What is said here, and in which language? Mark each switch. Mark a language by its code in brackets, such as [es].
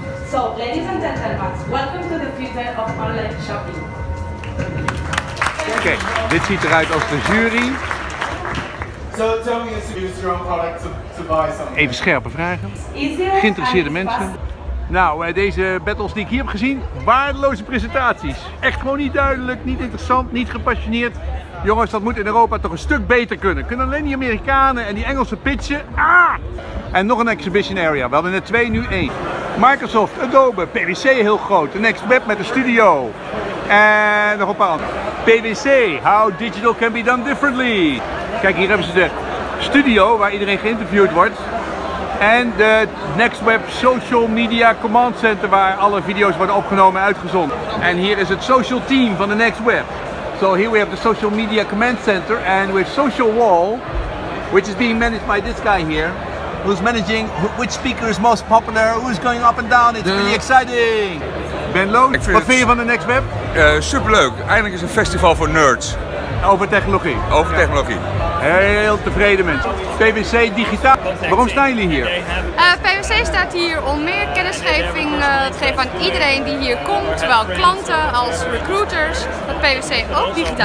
[en] So, ladies and gentlemen, welcome to the future of online shopping. [nl] Oké, okay, dit ziet eruit als de jury. [en] So, tell me, is your own product to buy something? [nl] Even scherpe vragen. Geïnteresseerde mensen. Nou, deze battles die ik hier heb gezien, waardeloze presentaties. Echt gewoon niet duidelijk, niet interessant, niet gepassioneerd. Jongens, dat moet in Europa toch een stuk beter kunnen. Kunnen alleen die Amerikanen en die Engelsen pitchen? Ah! En nog een exhibition area. We hadden er twee, nu één. Microsoft, Adobe, PwC heel groot. De Next Web met een studio. En nog een paar andere. [en] PwC, how digital can be done differently. [nl] Kijk, hier hebben ze de studio waar iedereen geïnterviewd wordt. En de Next Web Social Media Command Center waar alle video's worden opgenomen en uitgezonden. En hier is het social team van de Next Web. [en] So here we have the Social Media Command Center and we have Social Wall, which is being managed by this guy here, who's managing which speaker is most popular, who's going up and down, it's really exciting! [nl] Ben Loos, wat vind je van de Next Web? Superleuk, eindelijk is een festival voor nerds. Over technologie? Over technologie. Heel tevreden mensen. PwC Digitaal, waarom staan jullie hier? PwC staat hier om meer kennisgeving te geven aan iedereen die hier komt, zowel klanten als recruiters, dat PwC ook digitaal is.